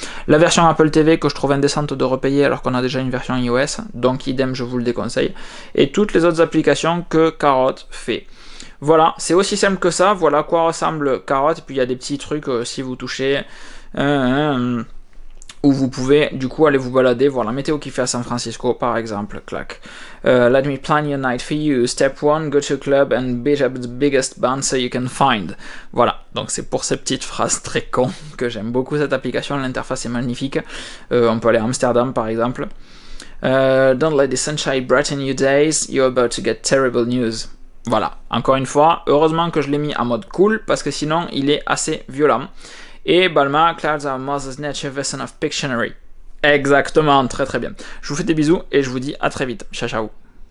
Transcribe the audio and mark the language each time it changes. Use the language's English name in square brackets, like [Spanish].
[French] La version Apple TV que je trouve indécente de repayer alors qu'on a déjà une version iOS, donc idem, je vous le déconseille. Et toutes les autres applications que Carrot fait. Voilà, c'est aussi simple que ça. Voilà à quoi ressemble Carrot. Et puis il y a des petits trucs si vous touchez. Où vous pouvez du coup aller vous balader, voir la météo qu'il fait à San Francisco par exemple, clac. [English] Let me plan your night for you. Step one, go to club and beat up the biggest band so you can find. [French] Voilà, donc c'est pour ces petites phrases très cons que j'aime beaucoup cette application. L'interface est magnifique. On peut aller à Amsterdam par exemple. [English] Don't let the sunshine brighten your days. You're about to get terrible news. [French] Voilà, encore une fois, heureusement que je l'ai mis en mode cool parce que sinon il est assez violent. Et Balma, [English] Clouds are Mother's Nature version of Pictionary. [French] Exactement, très très bien. Je vous fais des bisous et je vous dis à très vite. Ciao ciao.